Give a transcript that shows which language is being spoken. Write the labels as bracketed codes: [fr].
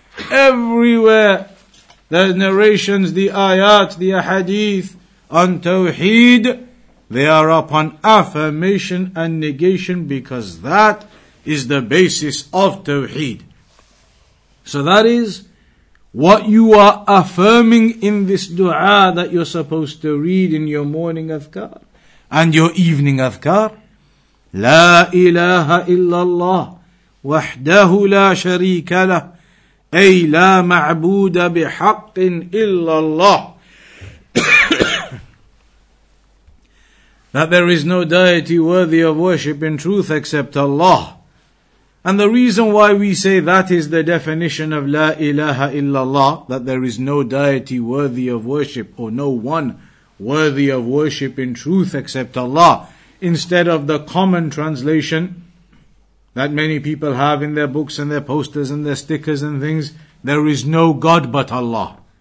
[en] Everywhere the narrations, the ayat, the ahadith on Tawheed, they are upon affirmation and negation, because that is the basis of Tawheed. So that is what you are affirming in this dua that you're supposed to read in your morning adhkar and your evening adhkar. [ar] لا إله إلا الله وحده لا شريك له أي لا معبود بحق إلا الله. [en] That there is no deity worthy of worship in truth except Allah. And the reason why we say that is the definition of [ar] لا إله إلا الله, [en] that there is no deity worthy of worship, or no one worthy of worship in truth except Allah, instead of the common translation that many people have in their books and their posters and their stickers and things, there is no God but Allah.